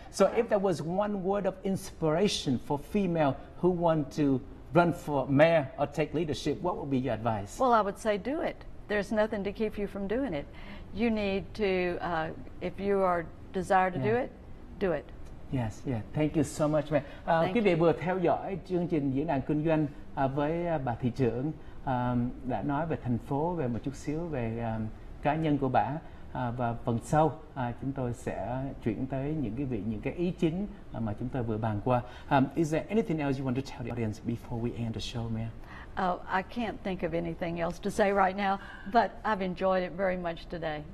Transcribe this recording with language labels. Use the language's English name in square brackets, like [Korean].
[English] So if there was one word of inspiration for female who want to run for mayor or take leadership, what would be your advice? Well, I would say do it. There's nothing to keep you from doing it. You need to, if you are desire to do it, do it. Yes, yeah. Thank you so much, man. [Vietnamese] Quý vị vừa theo dõi chương trình diễn đàn kinh doanh với bà thị trưởng đã nói về thành phố, về một chút xíu về cá nhân của bà. Và phần sau chúng tôi sẽ chuyển tới những cái ý chính mà chúng tôi vừa bàn qua. [English] Is there anything else you want to tell the audience before we end the show, ma'am? Oh, I can't think of anything else to say right now, but I've enjoyed it very much today.